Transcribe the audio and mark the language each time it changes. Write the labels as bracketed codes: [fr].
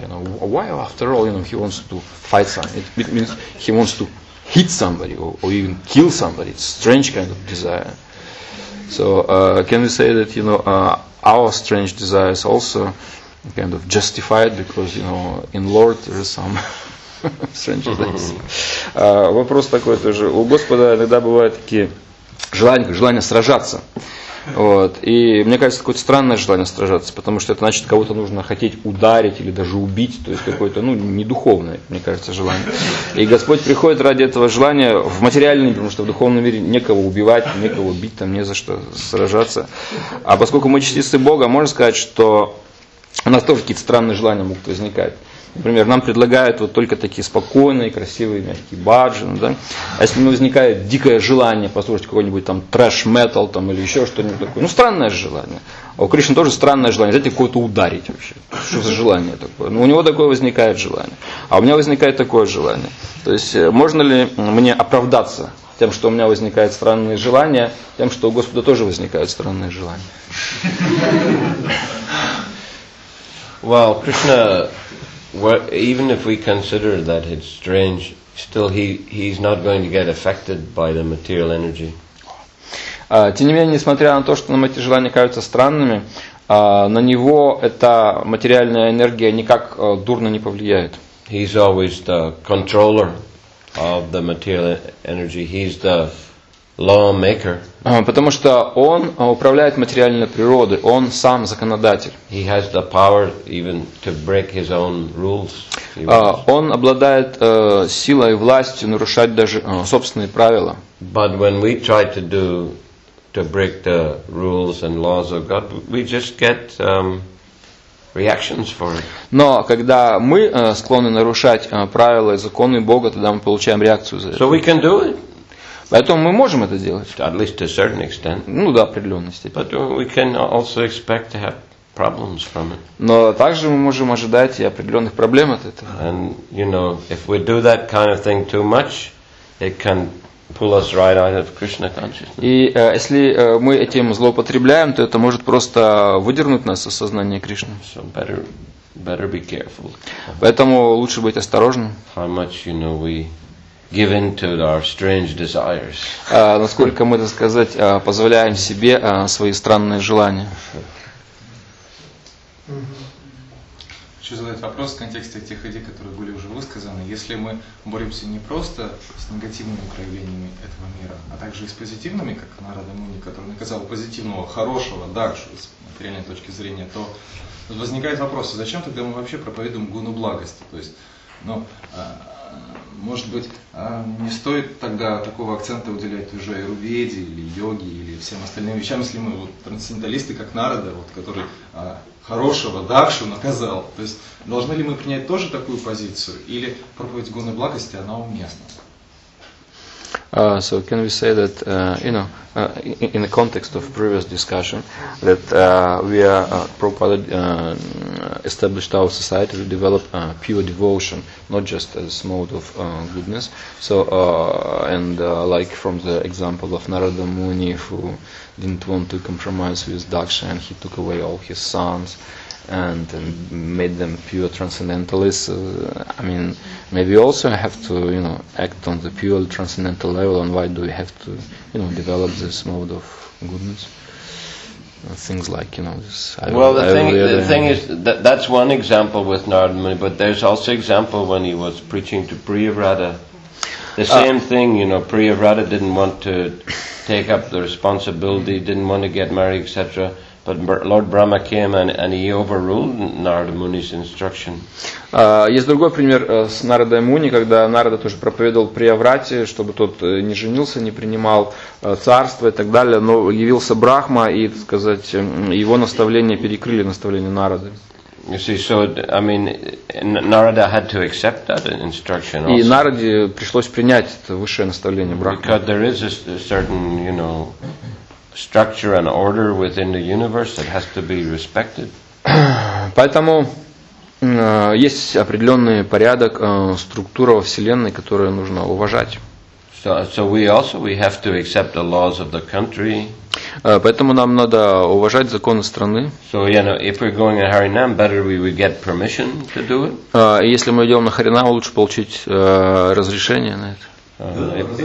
[en] You know, why, after all, you know, he wants to fight some. It means he wants to hit somebody or even kill somebody. It's strange kind of desire. So can we say that, you know, our strange desires also kind of justified, because, you know, in Lord there is some strange things. [ru] Вопрос такой тоже. У Господа иногда бывают такие желания, желания сражаться. Вот. И мне кажется, какое-то странное желание сражаться, потому что это значит, кого-то нужно хотеть ударить или даже убить, то есть какое-то, ну, недуховное, мне кажется, желание. И Господь приходит ради этого желания в материальный, потому что в духовном мире некого убивать, некого бить, там не за что сражаться. А поскольку мы частицы Бога, можно сказать, что у нас тоже какие-то странные желания могут возникать. Например, нам предлагают вот только такие спокойные, красивые, мягкие баджины, да? А если у него возникает дикое желание послушать какой-нибудь там трэш-метал там, или еще что-нибудь такое, ну, странное желание. А у Кришны тоже странное желание, знаете, кого-то ударить вообще. Что за желание такое? Ну, у него такое возникает желание. А у меня возникает такое желание. То есть, можно ли мне оправдаться тем, что у меня возникают странные желания, тем, что у Господа тоже возникают странные желания? Вау, Кришна... [en] Well, even if we consider that it's strange, still he's not going to get affected by the material energy. [ru] Тем не менее, несмотря на то, что нам эти желания кажутся странными, на него эта материальная энергия никак дурно не повлияет. [en] He's always the controller of the material energy. He's the lawmaker. [ru] Потому что он управляет материальной природой, он сам законодатель. [en] He has the power even to break his own rules. [ru] Он обладает силой и властью нарушать даже собственные правила. [en] But when we try to do to break the rules and laws of God, we just get reactions for it. [ru] Но когда мы склонны нарушать правила и законы Бога, тогда мы получаем реакцию за это. [en] So we can do it. [ru] Поэтому мы можем это делать. [en] At least to a certain extent. [ru] Ну, до определенной степени. [en] But we can also expect to have problems from it. [ru] Но также мы можем ожидать и определенных проблем от этого. [en] And, you know, if we do that kind of thing too much, it can pull us right out of Krishna consciousness. [ru] И если мы этим злоупотребляем, то это может просто выдернуть нас из сознания Кришны. [en] So better be careful. [ru] Поэтому лучше быть осторожным. [en] How much, you know, we... given to our strange desires. [ru] Насколько мы, так сказать, позволяем себе свои странные желания. Хочу задать вопрос в контексте тех идей, которые были уже высказаны. Если мы боремся не просто с негативными проявлениями этого мира, а также и с позитивными, как Нарада Муни, который наказал позитивного, хорошего, дальше с материальной точки зрения, то возникает вопрос, зачем тогда мы вообще проповедуем гуну благости? То есть, ну, может быть, не стоит тогда такого акцента уделять уже аюрведе или йоге или всем остальным вещам, если мы вот трансценденталисты, как Нарада, вот, который хорошего Дакшу наказал. То есть должны ли мы принять тоже такую позицию или проповедь гуны благости, она уместна? [en] So can we say that you know, in the context of previous discussion, that we are Prabhupada established our society to develop pure devotion, not just as mode of goodness. So like from the example of Narada Muni, who didn't want to compromise with Daksha, and he took away all his sons and made them pure transcendentalists. I mean, maybe also I have to, you know, act on the pure transcendental level, and why do we have to, you know, develop this mode of goodness? Things like, you know, this... Well, the thing is, that's one example with Narada Muni, but there's also example when he was preaching to Priyavrata. The same thing, you know, Priyavrata didn't want to take up the responsibility, didn't want to get married, etc., but Lord Brahma came and he overruled Narada Muni's instruction. [ru] Есть другой пример с Нарадой Муни, когда Нарада тоже проповедовал Приаврате, чтобы тот не женился, не принимал царство и так далее, но явился Брахма, и, так сказать, его наставления перекрыли наставления Нарады. [en] You see, so I mean, Narada had to accept that instruction. [ru] И Нараде пришлось принять это высшее наставление Брахмы. [en] Because there is a certain, you know, structure and order within the universe that has to be respected. [ru] Поэтому есть определенный порядок, структура во Вселенной, которую нужно уважать. [en] So we have to accept the laws of the country. [ru] Поэтому нам надо уважать законы страны. [en] So, you know, if we're going to Harinam, better we would get permission to do it. [ru] Если мы идем на Харинам, лучше получить разрешение на это.